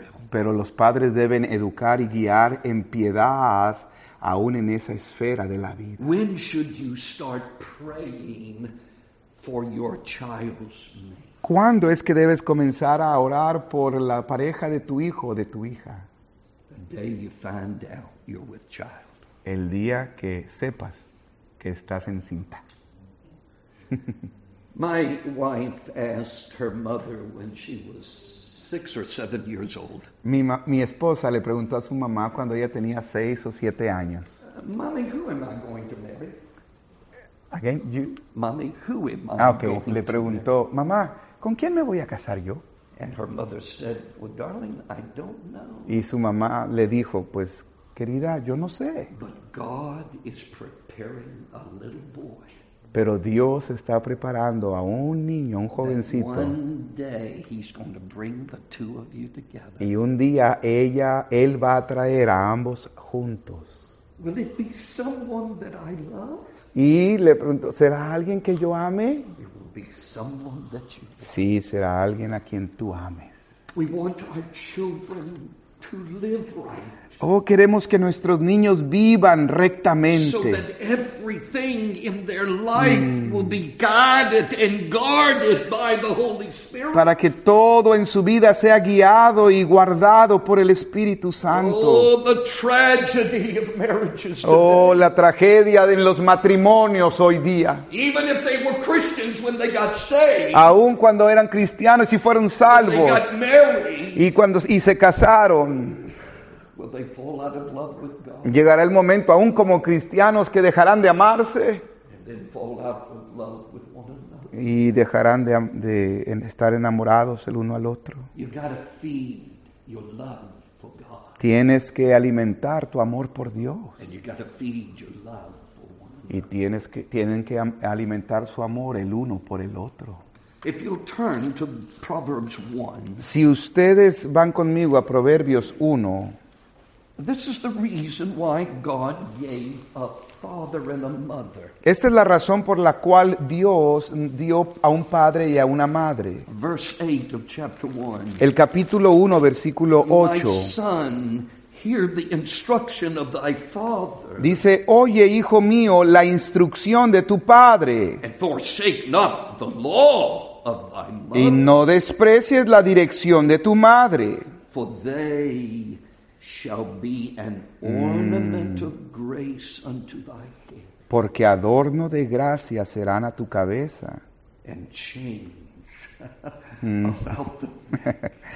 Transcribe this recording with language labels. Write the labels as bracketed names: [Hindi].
[Spanish] Pero los padres deben educar y guiar en piedad aún en esa esfera de la vida. [English] When should you start praying for your child's mate? [Spanish] ¿Cuándo es que debes comenzar a orar por la pareja de tu hijo o de tu hija? [English] The day you find out you're with child. [Spanish] El día que sepas que estás encinta. [English] My wife asked her mother when she was 6 or 7 years old. [Spanish] Mi esposa le preguntó a su mamá cuando ella tenía 6 o 7 años. [English] Mommy, who am I going to marry? Again, you. Mommy, who am I going to marry? Ah, okay. [Spanish] Le preguntó, mamá, ¿con quién me voy a casar yo? [English] And her mother said, well, darling, I don't know. [Spanish] Y su mamá le dijo, pues, querida, yo no sé. [English] But God is preparing a little boy. [Spanish] Pero Dios está preparando a un niño, un jovencito. [English] That one day he's going to bring the two of you together. [Spanish] Y un día él va a traer a ambos juntos. [English] Will it be someone that I love? [Spanish] Y le pregunto, ¿será alguien que yo ame? [English] It will be someone that you love. [Spanish] Sí, será alguien a quien tú ames. [English] We want our children to live right. [Spanish] Oh, queremos que nuestros niños vivan rectamente. [English] So that everything in their life will be guided and guarded by the Holy Spirit. [Spanish] Para que todo en su vida sea guiado y guardado por el Espíritu Santo. [English] Oh, the tragedy of marriages today. [Spanish] Oh, la tragedia de los matrimonios hoy día. [English] Even if they were Christians when they got saved. [Spanish] Aún cuando eran cristianos y fueron salvos. [English] When they got married. [Spanish] Y se casaron. [English] Will they fall out of love with God? [Spanish] Llegará el momento, aún como cristianos, que dejarán de amarse. [English] And then fall out of love with one another. [Spanish] Y dejarán de estar enamorados el uno al otro. [English] You gotta feed your love for God. [Spanish] Tienes que alimentar tu amor por Dios. [English] And you gotta feed your love for one another. [Spanish] Y tienen que alimentar su amor el uno por el otro. [English] If you'll turn to Proverbs 1. [Spanish] Si ustedes van conmigo a Proverbios 1. [English] This is the reason why God gave a father and a mother. [Spanish] Esta es la razón por la cual Dios dio a un padre y a una madre. [English] Verse 8 of chapter 1. [Spanish] El capítulo 1, versículo 8. [English] My son, hear the instruction of thy father. [Spanish] Dice, oye, hijo mío, la instrucción de tu padre. [English] And forsake not the law of thy mother. [Spanish] Y no desprecies la dirección de tu madre. [English] For they shall be an ornament of grace unto thy head. [Spanish] Porque adorno de gracia serán a tu cabeza. [English] And chains about the neck.